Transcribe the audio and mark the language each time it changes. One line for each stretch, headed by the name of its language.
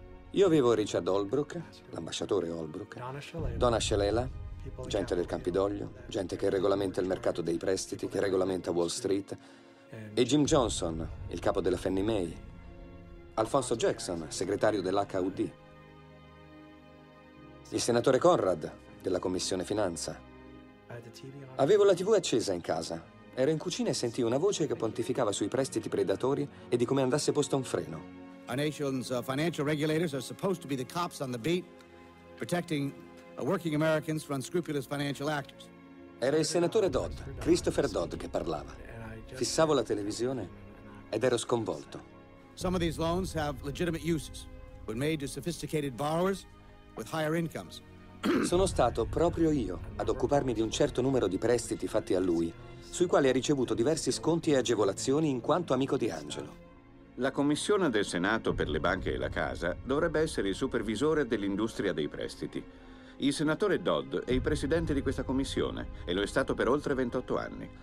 Italian: Io avevo Richard Holbrook, l'ambasciatore Holbrook, Donna Shalala, gente del Campidoglio, gente che regolamenta il mercato dei prestiti, che regolamenta Wall Street, e Jim Johnson, il capo della Fannie Mae, Alfonso Jackson, segretario dell'HUD, il senatore Conrad, della Commissione Finanza. Avevo la TV accesa in casa. Ero in cucina e sentii una voce che pontificava sui prestiti predatori e di come andasse posto un freno.
English: Our nation's financial regulators are supposed to be the cops on the beat, protecting working Americans from unscrupulous financial actors.
Italian: Era il senatore Dodd, Christopher Dodd, che parlava. Fissavo la televisione ed ero sconvolto.
English: Some of these loans have legitimate uses when made to sophisticated borrowers with higher incomes.
Italian: Sono stato proprio io ad occuparmi di un certo numero di prestiti fatti a lui, sui quali ha ricevuto diversi sconti e agevolazioni in quanto amico di Angelo. La Commissione del Senato per le banche e la casa dovrebbe essere il supervisore dell'industria dei prestiti. Il senatore Dodd è il presidente di questa commissione e lo è stato per oltre 28 anni.